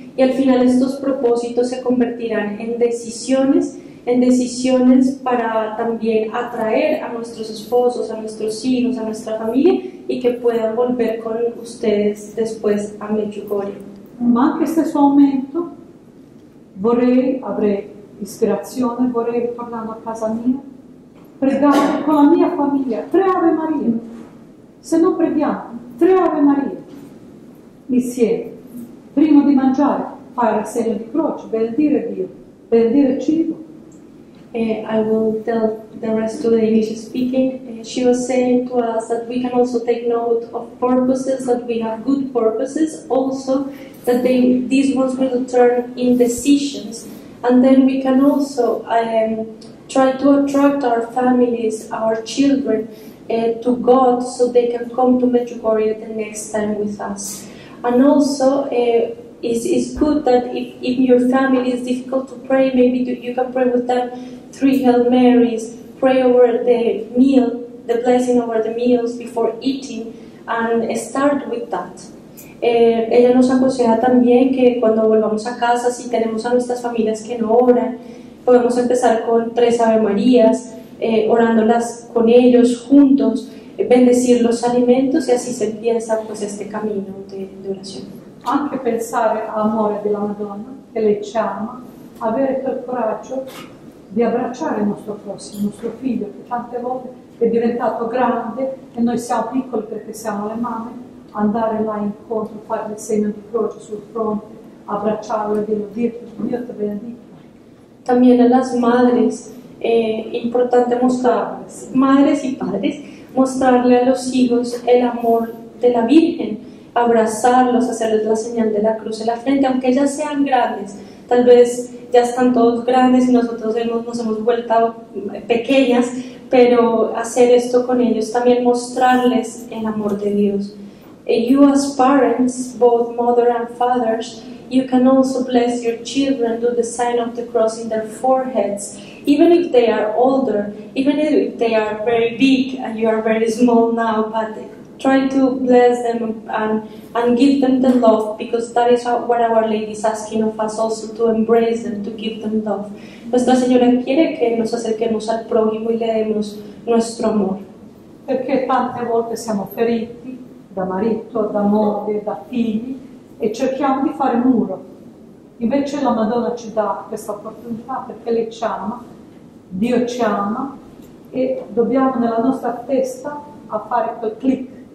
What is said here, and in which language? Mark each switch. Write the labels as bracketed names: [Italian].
[Spanish] Y al final estos propósitos se convertirán en decisiones para también atraer a nuestros esposos, a nuestros hijos, a nuestra familia y que puedan volver con ustedes después a Medjugorje. [Italian] Ma anche stesso momento vorrei avrei ispirazione, vorrei ritornare a casa mia, pregare con la mia famiglia, tre Ave Maria. Se non preghiamo, tre Ave Maria insieme. Prima di mangiare, fare il segno di croce, benedire Dio, benedire cibo. [English] I will tell the rest of the English speaking. She was saying to us that we can also take note of purposes, that we have good purposes, also that these ones will turn in decisions. And then we can also try to attract our families, our children, to God so they can come to Medjugorje the next time with us. And also, it's good that if your family is difficult to pray, maybe you can pray with them three Hail Marys, pray over the meal, the blessing over the meals before eating, and start with that. [Spanish] Ella nos aconseja también que cuando volvamos a casa, si tenemos a nuestras familias que no oran, podemos empezar con tres Ave Marías, orándolas con ellos juntos, bendecir los alimentos y así se empieza pues este camino de oración. [Italian] Anche pensare all'amore della Madonna che lei ci ama, avere quel coraggio di abbracciare il nostro prossimo, il nostro figlio che tante volte è diventato grande e noi siamo piccoli perché siamo le mamme, andare là incontro, fare il segno di croce sul fronte, abbracciarlo e dirlo, dirti, Dio ti benedica. [Spanish] También a las madres, importante madres y padres, mostrarle a los hijos el amor de la Virgen, abrazarlos, hacerles la señal de la cruz en la frente, aunque ya sean grandes, tal vez ya están todos grandes y nosotros nos hemos vuelto pequeñas, pero hacer esto con ellos, también mostrarles el amor de Dios. [English] You as parents, both mother and fathers, you can also bless your children, do the sign of the cross in their foreheads. Even if they are older, even if they are very big and you are very small now, but trying to bless them and give them the love, because that is what Our Lady is asking of us also, to embrace them, to give them love. [Spanish] Nuestra Señora quiere que nos acerquemos al prójimo y le demos nuestro amor. [Italian] Perché tante volte siamo feriti da marito, da moglie, da figli, e cerchiamo di fare muro. Invece la Madonna ci dà questa opportunità perché lei ci ama, Dio ci ama, e dobbiamo nella nostra testa a fare quel click.